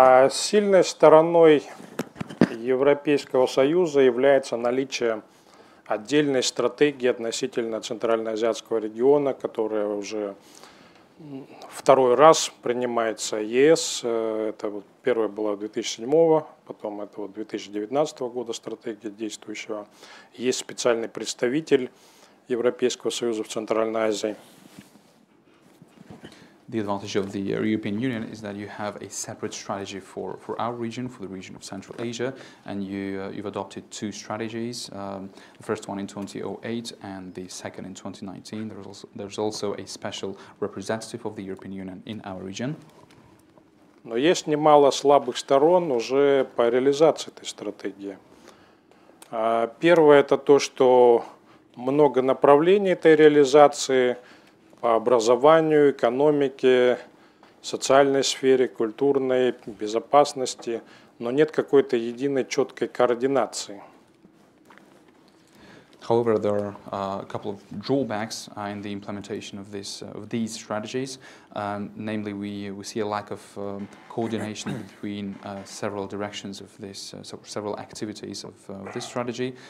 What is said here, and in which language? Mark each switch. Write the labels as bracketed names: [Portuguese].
[Russian] Сильной стороной Европейского Союза является наличие отдельной стратегии относительно Центральноазиатского региона, которая уже второй раз принимается ЕС. Это вот первая была 2007, потом это вот 2019 года стратегия действующего. Есть специальный представитель Европейского Союза в Центральной Азии. [English] The advantage of the European Union is that you have a separate strategy for our region, for the region of Central Asia, and you've adopted two strategies, the first one in 2008 and the second in 2019. There's also a special representative of the European Union in our region. [Russian] Но есть немало слабых сторон уже по реализации этой стратегии. Первое это то, что много направлений этой реализации. По образованию, экономике, социальной сфере, культурной, безопасности, но нет какой-то единой четкой координации. [English] However, there are a couple of drawbacks in the implementation of these strategies. Namely, we see a lack of coordination between several directions of this, several activities of this strategy.